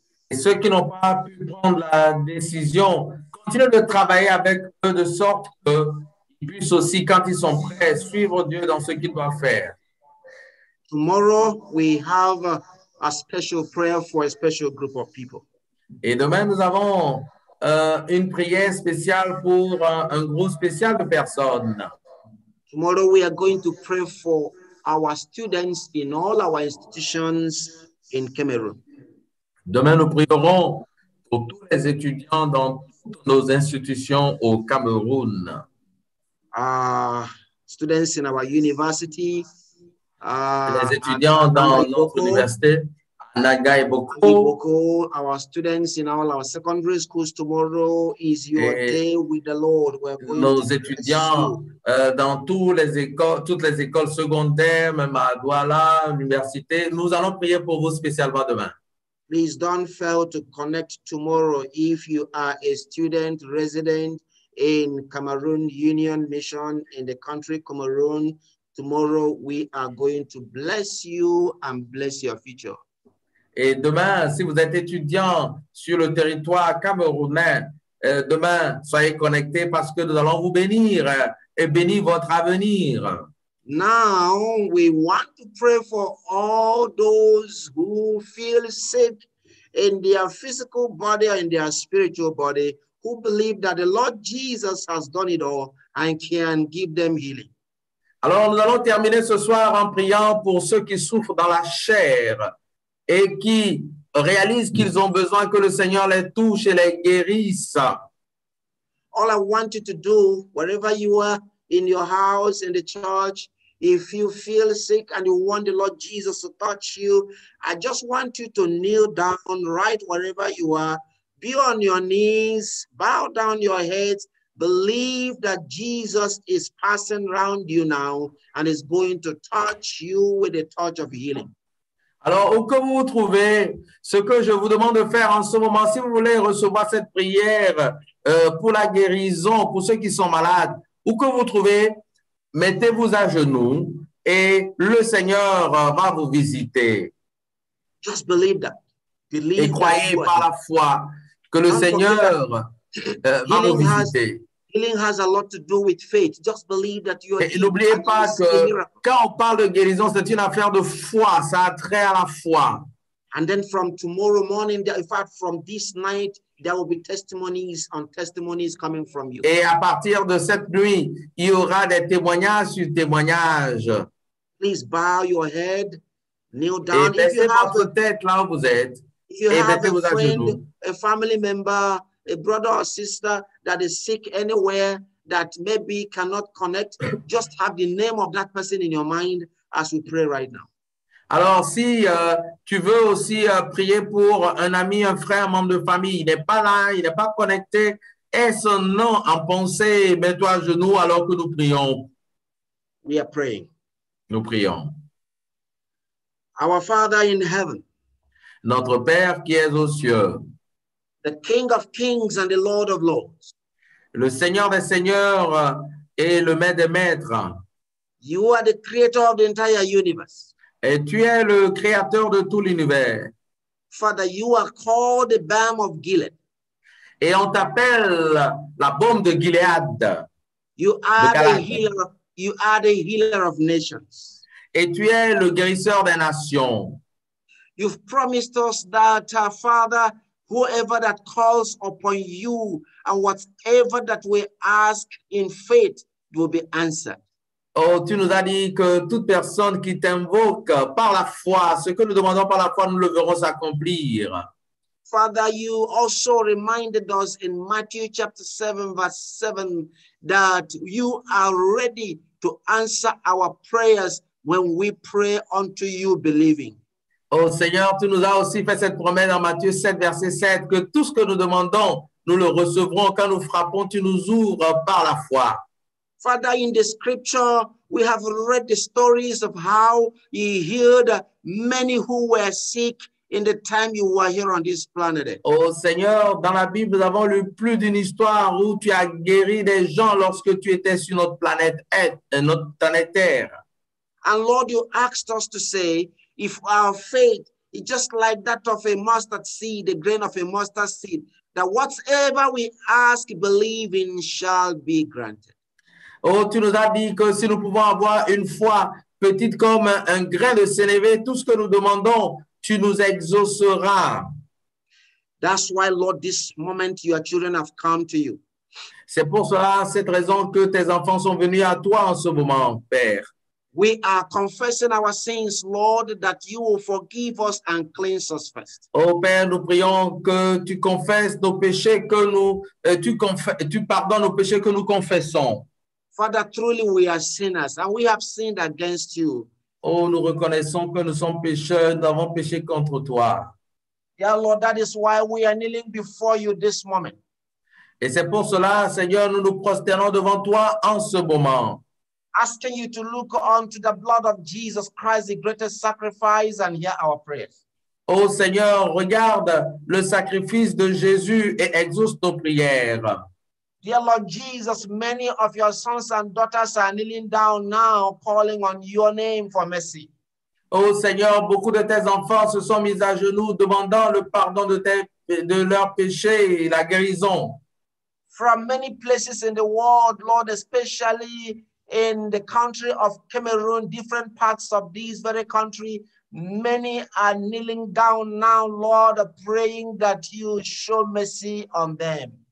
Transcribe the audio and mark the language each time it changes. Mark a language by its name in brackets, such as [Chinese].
[French] Et ceux qui n'ont pas pu prendre la décision, continuez de travailler avec eux de sorte qu'ils puissent aussi, quand ils sont prêts, suivre Dieu dans ce qu'ils doivent faire. [English] Tomorrow, we have a special prayer for a special group of people. [French] Et demain, nous avons une prière spéciale pour un groupe spécial de personnes. [English] Tomorrow, we are going to pray for our students in all our institutions in Cameroon. [French] Demain, nous prierons pour tous les étudiants dans toutes nos institutions au Cameroun. [English] Students in our university. [French] Les étudiants dans notre université. À Nagai Boko. [English] Boko, our students in all our secondary schools, tomorrow is your day with the Lord. We're going [French] nos étudiants dans toutes les écoles secondaires, même à Douala, l'université, nous allons prier pour vous spécialement demain. [English] Please don't fail to connect tomorrow if you are a student resident in Cameroon Union Mission in the country Cameroon. Tomorrow we are going to bless you and bless your future. [French] Et demain, si vous êtes étudiant sur le territoire camerounais, demain, soyez connectés parce que nous allons vous bénir et bénir votre avenir. [English] Now, we want to pray for all those who feel sick in their physical body or in their spiritual body, who believe that the Lord Jesus has done it all and can give them healing. [French] Alors, nous allons terminer ce soir en priant pour ceux qui souffrent dans la chair et qui réalisent qu'ils ont besoin que le Seigneur les touche et les guérisse. [English] All I want you to do, wherever you are, in your house, in the church, if you feel sick and you want the Lord Jesus to touch you, I just want you to kneel down right wherever you are. Be on your knees, bow down your heads, believe that Jesus is passing around you now and is going to touch you with a touch of healing. [French] Alors, où que vous vous trouvez, ce que je vous demande de faire en ce moment, si vous voulez recevoir cette prière pour la guérison, pour ceux qui sont malades, où que vous trouvez, mettez-vous à genoux et le Seigneur va vous visiter. [English] Just believe that. Believe [French] et croyez that par la foi que le Seigneur va vous visiter. [English] Healing has a lot to do with faith. Just believe that you are. [French] Et n'oubliez pas que quand on parle de guérison, c'est une affaire de foi. Ça a trait à la foi. [English] And then from tomorrow morning, in fact, from this night, there will be testimonies on testimonies coming from you. [French] Et à partir de cette nuit, il y aura des témoignages sur témoignages. [English] Please bow your head, kneel down. [French] Et baissez votre tête là où vous êtes. [English] If you have a friend, a family member, a brother or sister that is sick anywhere that maybe cannot connect, just have the name of that person in your mind as we pray right now. [French] Alors, si tu veux aussi prier pour un ami, un frère, un membre de famille, il n'est pas là, il n'est pas connecté, aie son nom en pensée, mets-toi à genoux alors que nous prions. [English] We are praying. [French] Nous prions. [English] Our Father in heaven. [French] Notre Père qui es aux cieux. [English] The King of kings and the Lord of lords. [French] Le Seigneur des seigneurs et le maître des maîtres. [English] You are the creator of the entire universe. [French] Et tu es le créateur de tout l'univers. [English] Father, you are called the balm of Gilead. [French] Et on t'appelle la baume de Gilead. [English] You are the healer. You are the healer of nations. [French] Et tu es le guérisseur des nations. [English] You've promised us that, Father, whoever that calls upon you and whatever that we ask in faith will be answered. [French] Oh, tu nous as dit que toute personne qui t'invoque par la foi, ce que nous demandons par la foi, nous le verrons s'accomplir. [English] Father, you also reminded us in Matthew chapter 7, verse 7, that you are ready to answer our prayers when we pray unto you believing. [French] Oh, Seigneur, tu nous as aussi fait cette promesse en Matthieu 7, verset 7, que tout ce que nous demandons, nous le recevrons quand nous frappons, tu nous ouvres par la foi. [English] Father, in the scripture, we have read the stories of how he healed many who were sick in the time you were here on this planet. [French] Oh, Seigneur, dans la Bible, nous avons lu plus d'une histoire où tu as guéri des gens lorsque tu étais sur notre planète Terre. [English] And Lord, you asked us to say, if our faith is just like that of a mustard seed, the grain of a mustard seed, that whatever we ask, believing shall be granted. [French] Oh, tu nous as dit que si nous pouvons avoir une foi petite comme un grain de sénévé, tout ce que nous demandons, tu nous exauceras. [English] That's why, Lord, this moment your children have come to you. [French] C'est pour cela, cette raison que tes enfants sont venus à toi en ce moment, Père. [English] We are confessing our sins, Lord, that you will forgive us and cleanse us first. [French] Oh, Père, nous prions que tu confesses nos péchés que nous, tu pardonnes nos péchés que nous confessons. [English] Father, truly we are sinners and we have sinned against you. [French] Oh, nous reconnaissons que nous sommes pécheurs, nous avons péché contre toi. [English] Yeah, Lord, that is why we are kneeling before you this moment. [French] Et c'est pour cela, Seigneur, nous nous prosternons devant toi en ce moment. [English] Asking you to look unto the blood of Jesus Christ, the greatest sacrifice, and hear our prayers. [French] Oh Seigneur, regarde le sacrifice de Jésus et exauce nos prières. [English] Dear Lord Jesus, many of your sons and daughters are kneeling down now, calling on your name for mercy. [French] Oh Seigneur, beaucoup de tes enfants se sont mis à genoux, demandant le pardon de leurs péchés et la guérison. [English] From many places in the world, Lord, especially in the country of Cameroon, different parts of this very country, many are kneeling down now, Lord, praying that you show mercy on them.